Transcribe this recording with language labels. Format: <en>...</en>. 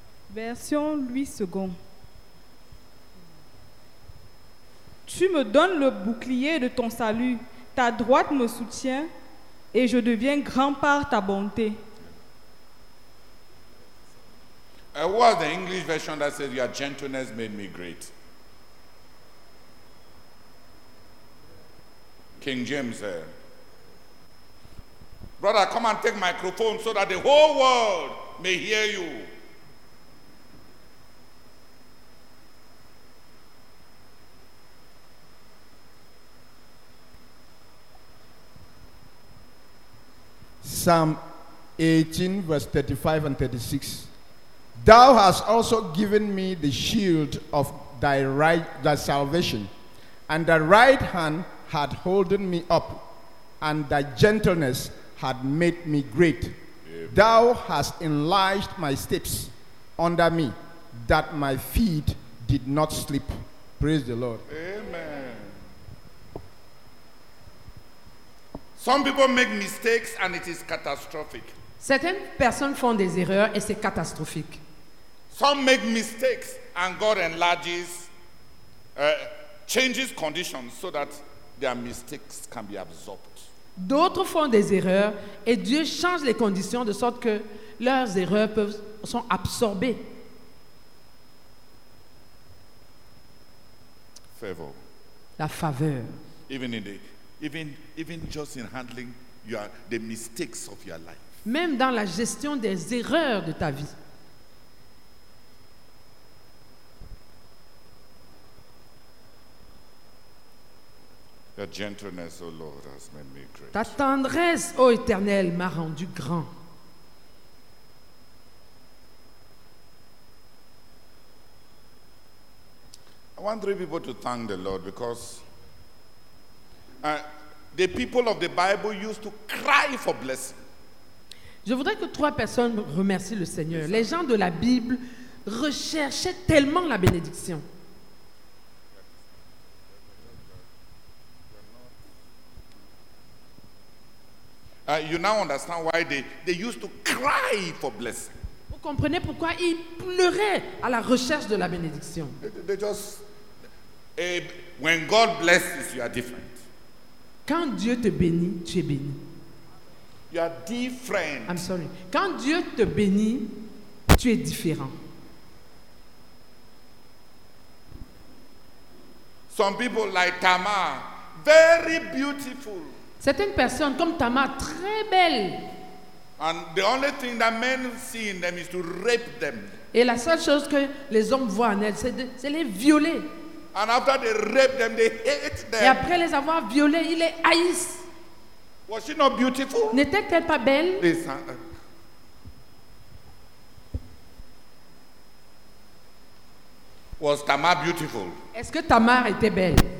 <fr>Version Louis II. Tu me donnes le bouclier de ton salut, ta droite me soutient et je deviens grand par ta bonté.</fr> <en>What the English version that says your gentleness made me great? King James said. Brother, come and take microphone so that the whole world may hear you. Psalm 18, verse 35 and 36. Thou hast also given me the shield of thy right, thy salvation, and thy right hand had holden me up, and thy gentleness had made me great. Amen. Thou hast enlarged my steps under me, that my feet did not slip. Praise the Lord. Amen. Some people make mistakes and it is catastrophic.</en> <fr>Certaines personnes font des erreurs et c'est catastrophique.</fr> <en>Some make mistakes and God enlarges, changes conditions so that their mistakes can be absorbed.</en> <fr>D'autres font des erreurs et Dieu change les conditions de sorte que leurs erreurs peuvent sont absorbées.</fr> <en>Favor.</en> <fr>La faveur.</fr> <en>Even just in handling the mistakes of your life.</en> <fr>Même dans la gestion des erreurs de ta vie.</fr> <en>Your gentleness, O Lord, has made me great.</en> <fr>Ta tendresse, ô Éternel, m'a rendu grand.</fr> <en>I want three people to thank the Lord because the people of the Bible used to cry for blessing.</en> <fr>Je voudrais que trois personnes remercient le Seigneur. Les gens de la Bible recherchaient tellement la bénédiction.</fr> <en>You now understand why they used to cry for blessing.</en> <fr>Vous comprenez pourquoi ils pleuraient à la recherche de la bénédiction.</fr> <en>When God blesses, you are different.</en> <fr>Quand Dieu te bénit, tu es béni.</fr> <en>You are different. I'm sorry.</en> <fr>Quand Dieu te bénit, tu es différent.</fr> <en>Some people like Tamar, very beautiful.</en> <fr>Certaines personnes comme Tamar, très belle.</fr> <en>And the only thing that men see in them is to rape them.</en> <fr>Et la seule chose que les hommes voient en elles, c'est les violer.</fr> <en>And after they rape them, they hate them.</en> <fr>Et après les avoir violés, ils les haïssent.</fr> <en>Was she not beautiful?</en> <fr>N'était-elle pas belle?</fr> <en>Listen. Was Tamar beautiful?</en> <fr>Est-ce que Tamar était belle?</fr>